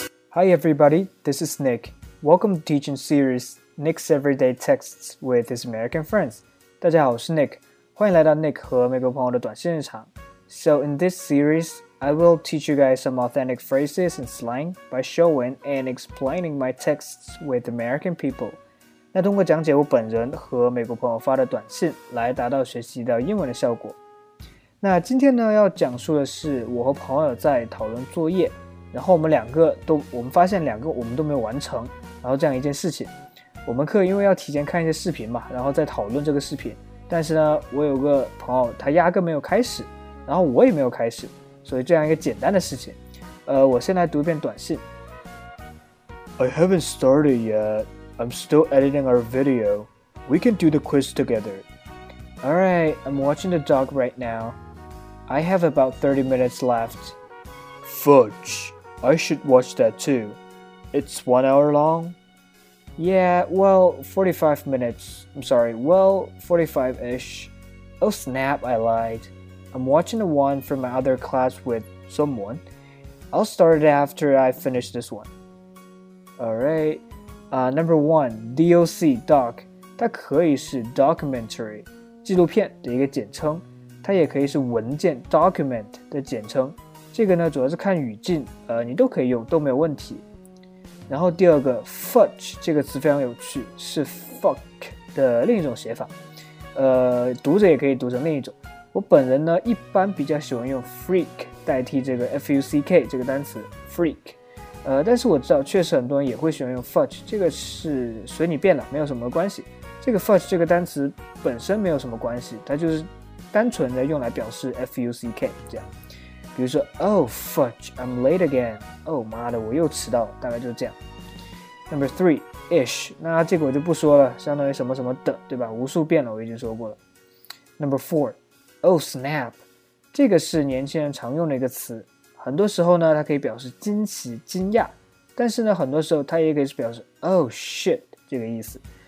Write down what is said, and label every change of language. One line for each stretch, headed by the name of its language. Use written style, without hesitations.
English: Hi everybody, this is Nick. Welcome to teaching series Nick's Everyday Texts with his American friends.
Chinese: 大家好，我是 Nick， 欢迎来到 Nick 和美国朋友的短信日常。
English: So in this series, I will teach you guys some authentic phrases and slang by showing and explaining my texts with American people.
Chinese: 那通过讲解我本人和美国朋友发的短信来达到学习到英文的效果。那今天呢，要讲述的是我和朋友在讨论作业，然后我们发现两个我们都没有完成，然后这样一件事情。我们课因为要提前看一些视频嘛，然后再讨论这个视频，但是呢，我有个朋友他压根没有开始，然后我也没有开始，所以这样一个简单的事情。我先来读一遍短信。
English: I haven't started yet. I'm still editing our video. We can do the quiz together. Alright, I'm watching the dog right now. I have about 30 minutes left. Fudge, I should watch that too. It's 1 hour long? Yeah, well, 45 minutes. I'm sorry, well, 45-ish. Oh snap, I lied. I'm watching the one from my other class with someone. I'll start it after I finish this one. Alright. Number one, DOC, doc.
Chinese: 它可以是 documentary, 纪录片的一个简称。它也可以是文件 document 的简称。这个呢主要是看语境，你都可以用，都没有问题。然后第二个 fudge 这个词非常有趣，是 fuck 的另一种写法，读者也可以读成另一种。我本人呢一般比较喜欢用 freak 代替这个 fuck 这个单词 freak， 但是我知道确实很多人也会喜欢用 fudge， 这个是随你便了，没有什么关系。这个 fudge 这个单词本身没有什么关系，它就是单纯的用来表示 fuck 这样。比如说
English: Oh fudge, I'm late again.
Chinese: Oh 妈的，我又迟到了，大概就是这样。
English: Number three, ish.
Chinese: 那这个我就不说了，相当于什么什么的，对吧？无数遍了，我已经说过了。
English: Number four, oh snap.
Chinese: 这个是年轻人常用的一个词，很多时候呢它可以表示惊奇惊讶，但是呢很多时候它也可以表示
English: Oh shit
Chinese: 这个意思。